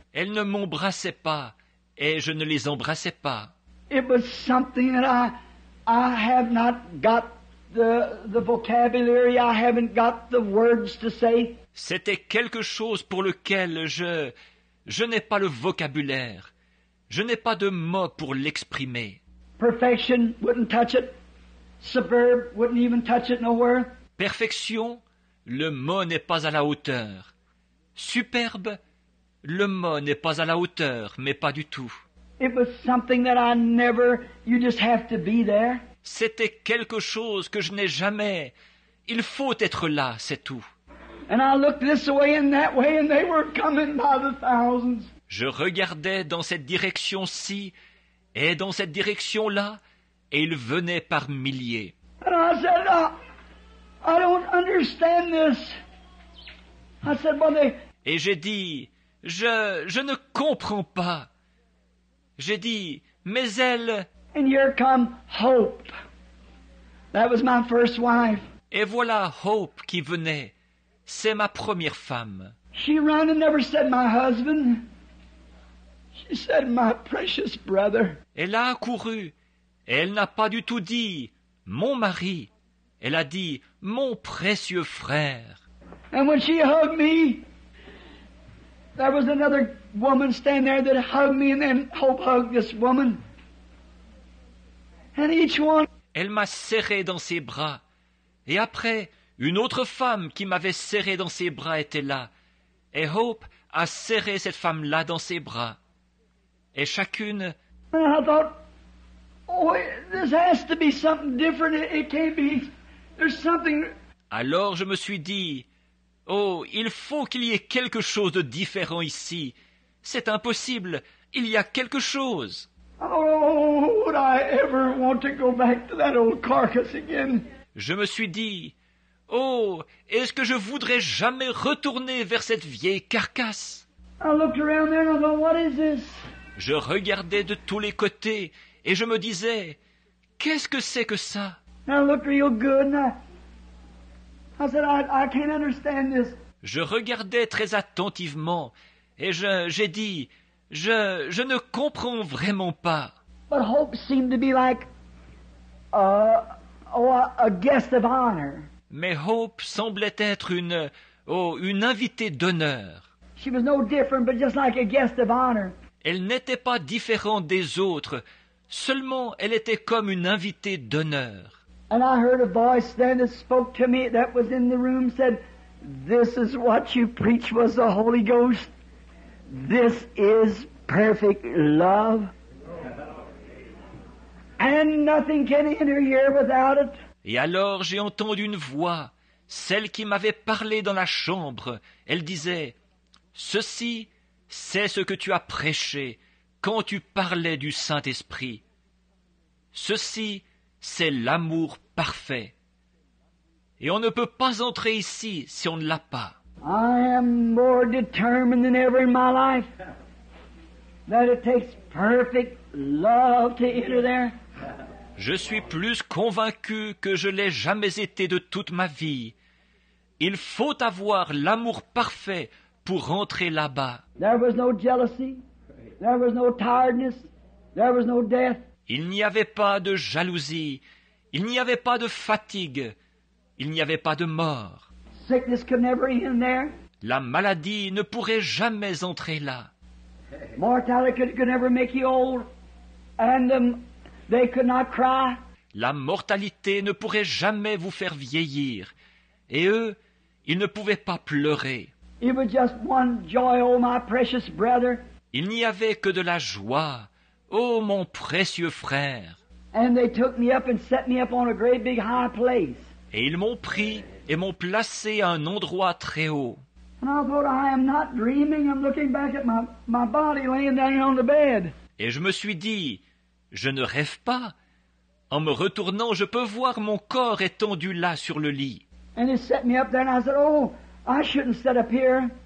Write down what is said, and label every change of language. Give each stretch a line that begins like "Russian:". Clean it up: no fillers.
French: Elles ne m'embrassaient pas et je ne les embrassais pas.
English: It was something that I have not got the vocabulary, I haven't got the words to say.
French: C'était quelque chose pour lequel je n'ai pas le vocabulaire. Je n'ai pas de mots pour l'exprimer.
English: Perfection wouldn't touch it. Superb wouldn't even touch it nowhere.
French: Perfection, le mot n'est pas à la hauteur. Superbe, le mot n'est pas à la hauteur, mais pas du tout.
English: It was something that I never, you just have to be there.
French: C'était quelque chose que je n'ai jamais. Il faut être là, c'est tout.
English: And I looked this way and that way and they were coming by the thousands.
French: Je regardais dans cette direction-ci et dans cette direction-là et ils venaient par milliers.
English: And I said, I don't understand this. I said, well, they...
French: Et j'ai dit, je ne comprends pas. J'ai dit, mais elle...
English: And here come Hope. That was my first wife.
French: Et voilà Hope qui venait. C'est ma première femme.
English: She ran and never said my husband. She said my precious brother.
French: Elle a couru. Et elle n'a pas du tout dit mon mari. Elle a dit mon précieux frère.
English: And when she hugged me, there was another woman standing there that hugged me, and then Hope hugged this woman. And each one.
French: Elle m'a serré dans ses bras. Et après, une autre femme qui m'avait serré dans ses bras était là. Et Hope a serré cette femme-là dans ses bras. Et chacune.
English: And I thought, oh, this has to be something different. It can't be. There's something.
French: Alors je me suis dit, oh, il faut qu'il y ait quelque chose de différent ici. C'est impossible. Il y a quelque chose.
English: Oh, would I ever want to go back to that old carcass again?
French: Je me suis dit, oh, est-ce que je voudrais jamais retourner vers cette vieille carcasse?
English: I looked around there and I thought, what is this?
French: Je regardais de tous les côtés et je me disais, qu'est-ce que c'est que ça?
English: I looked real good and I said, I can't understand this.
French: Je regardais très attentivement et j'ai dit, Je ne comprends vraiment pas.
English: But Hope seemed to be like a guest of honor.
French: Mais Hope semblait être une invitée d'honneur.
English: She was no different, but just like a guest of honor.
French: Elle n'était pas différente des autres, seulement elle était comme une invitée d'honneur.
English: And I heard a voice then that spoke to me that was in the room said, "This is what you preach was the Holy Ghost." This is perfect love. And nothing can enter here without it.
French: Et alors j'ai entendu une voix, celle qui m'avait parlé dans la chambre. Elle disait, ceci, c'est ce que tu as prêché quand tu parlais du Saint-Esprit. Ceci, c'est l'amour parfait. Et on ne peut pas entrer ici si on ne l'a pas.
English: I am more determined than ever in my life that it takes perfect love to enter there.
French: Je suis plus convaincu que je l'ai jamais été de toute ma vie. Il faut avoir l'amour parfait pour rentrer là-bas.
English: There was no jealousy. There was no tiredness. There was no death.
French: Il n'y avait pas de jalousie. Il n'y avait pas de fatigue. Il n'y avait pas de mort.
English: Sickness could never be in there.
French: La maladie ne pourrait jamais entrer là.
English: Mortality could never make you old. And they could not cry.
French: La mortalité ne pourrait jamais vous faire vieillir. Et eux, ils ne pouvaient pas pleurer.
English: It was just one joy, oh my precious brother.
French: Il n'y avait que de la joie, oh mon précieux frère.
English: And they took me up and set me up on a great big high place.
French: Et ils m'ont pris et m'ont placé à un endroit très haut.
English: And I thought, I am not dreaming. I'm looking back at my body laying down on the bed.
French: Et je me suis dit, je ne rêve pas. En me retournant, je peux voir mon corps étendu là sur le lit.
English: And they set me up there and I said, oh, I shouldn't sit up here.